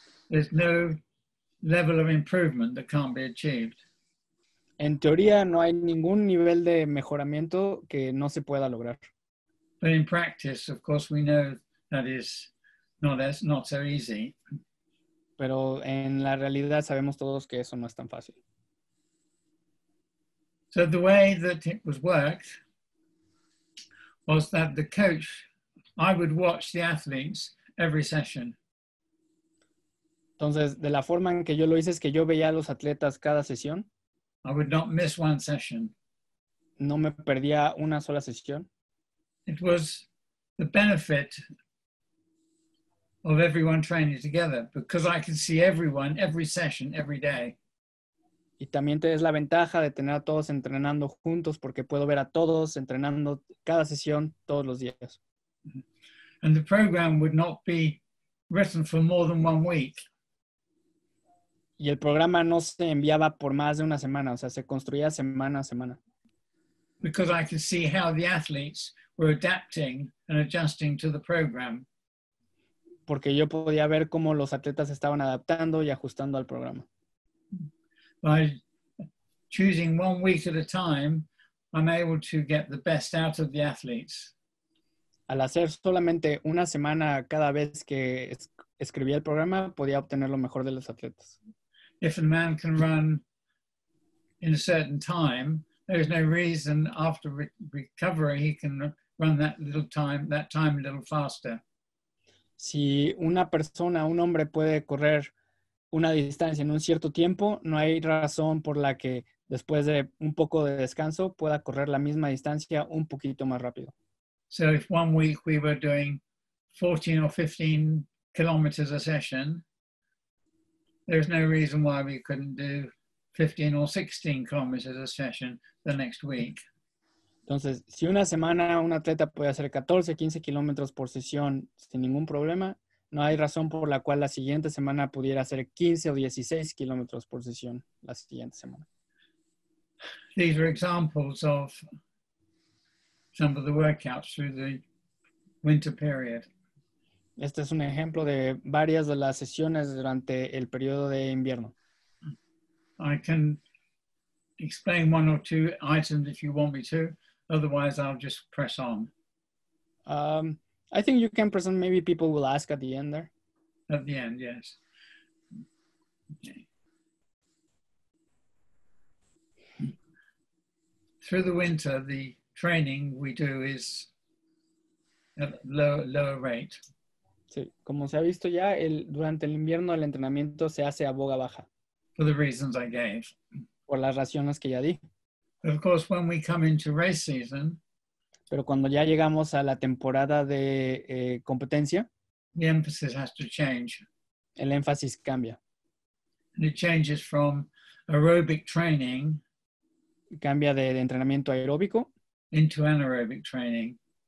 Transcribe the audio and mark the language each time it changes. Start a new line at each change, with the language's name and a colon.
English: There's no level of improvement that can't be achieved.
Spanish: En teoría, no hay ningún nivel de mejoramiento que no se pueda lograr.
English: But in practice, of course, we know that is not so easy.
Spanish: Pero en la realidad sabemos todos que eso no es tan fácil.
English: So the way that it was worked was that the coach, I would watch the athletes every session.
Spanish: Entonces, de la forma en que yo lo hice es que yo veía a los atletas cada sesión.
English: I would not miss one session.
Spanish: No me perdía una sola sesión.
English: It was the benefit of everyone training together because I could see everyone every session every day.
Spanish: Y también te es la ventaja de tener a todos entrenando juntos porque puedo ver a todos entrenando cada sesión todos los días.
English: And the program would not be written for more than 1 week.
Spanish: Y el programa no se enviaba por más de una semana, o sea, se construía semana a semana.
English: Because I could see how the athletes were adapting and adjusting to the program.
Spanish: Porque yo podía ver cómo los atletas estaban adaptando y ajustando al programa.
English: By choosing 1 week at a time, I'm able to get the best out of the athletes.
Spanish: Al hacer solamente una semana cada vez que escribía el programa, podía obtener lo mejor de los atletas.
English: If a man can run in a certain time, there is no reason after recovery he can run that time a little faster.
Spanish: Si una persona, un hombre puede correr una distancia en un cierto tiempo, no hay razón por la que después de un poco de descanso pueda correr la misma distancia un poquito más rápido.
English: So if 1 week we were doing 14 or 15 kilometers a session, there's no reason why we couldn't do 15 or 16 kilometers a session the next week.
Spanish: Entonces, si una semana un atleta puede hacer 14, 15 kilómetros por sesión sin ningún problema, no hay razón por la cual la siguiente semana pudiera hacer 15 o 16 kilómetros por sesión la siguiente semana.
English: These are examples of some of the workouts through the winter period.
Spanish: Este es un ejemplo de varias de las sesiones durante el periodo de invierno.
English: I can explain one or two items if you want me to. Otherwise, I'll just press on. I think you can present. Maybe people will ask at the end there. At the end, yes. Okay. Through the winter, the training we do is at lower rate.
Spanish: Sí, como se ha visto ya, durante el invierno el entrenamiento se hace a boga baja.
English: For the reasons I gave.
Spanish: Por las razones que ya di.
English: Of course, when we come into race season,
Spanish: pero cuando ya llegamos a la temporada de competencia,
English: the emphasis has to change.
Spanish: El énfasis cambia.
English: And it changes from aerobic training,
Spanish: cambia de entrenamiento aeróbico,
English: into anaerobic training,